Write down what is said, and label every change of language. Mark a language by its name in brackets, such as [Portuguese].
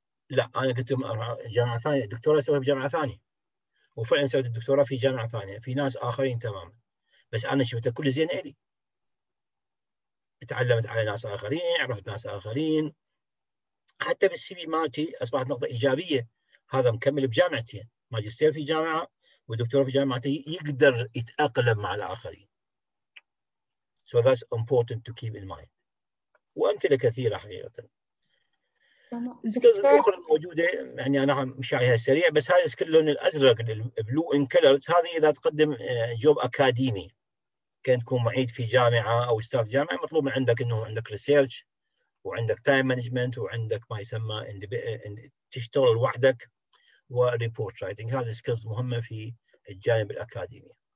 [Arabic] لا، انا قلت لهم جامعه ثانيه، الدكتوراه سويها بجامعه ثانيه، وفعلا سويت الدكتوراه في جامعه ثانيه، في ناس اخرين تماما، بس انا شفت كل زين الي، تعلمت على ناس اخرين، عرفت ناس اخرين، حتى بالسي في مالتي اصبحت نقطه ايجابيه، هذا مكمل بجامعتي، ماجستير في جامعه ودكتوره في جامعته يقدر يتأقلم مع الآخرين. [English] So that's important to keep in mind. [Arabic] وأمثلة كثيرة حقيقة. السكيلز الأخرى الموجودة يعني أنا مشاريعها سريع بس هاي السكيل اللون الأزرق البلو إن كلرز هذه إذا تقدم جوب أكاديمي كان تكون معيد في جامعة أو أستاذ جامعة مطلوب من عندك إنه عندك ريسيرش وعندك تايم مانجمنت وعندك ما يسمى تشتغل وحدك وريبورت رايتنج هذه السكيلز مهمة في الجانب الأكاديمي.